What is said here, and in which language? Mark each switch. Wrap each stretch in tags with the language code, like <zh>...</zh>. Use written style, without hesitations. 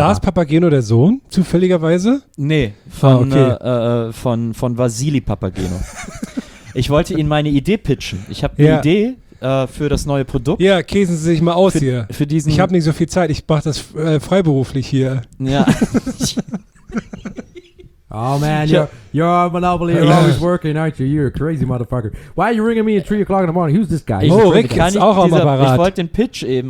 <de>Lars Papageno, der Sohn, zufälligerweise? Nee, von, okay. Von Vasili Papageno. Ich wollte Ihnen meine Idee pitchen. Ich habe eine Idee für das neue Produkt. Ja, käsen Sie sich mal aus für, hier. Für diesen... Ich habe nicht so viel Zeit, ich mache das freiberuflich hier. Ja.</de> <en>Oh man, you're on Monopoly, you're always working, aren't you? You're a crazy motherfucker. Why are you ringing me at 3 o'clock in the morning? Who's this guy?</en> <de>Oh, Rick ist auch am Apparat. Ich wollte den Pitch eben.</de>